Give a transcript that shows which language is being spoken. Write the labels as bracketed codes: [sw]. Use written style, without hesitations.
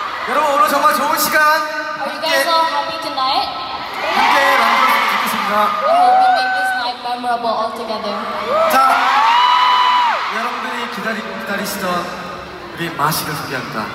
[ko] 여러분 오늘 정말 좋은 시간. [en] Are you guys all happy tonight? [ko] 함께 만들어주고 싶습니다. [en] We hope you make this night memorable all together. [ko] 자, 여러분들이 기다리시던 우리 마시를 소개합니다.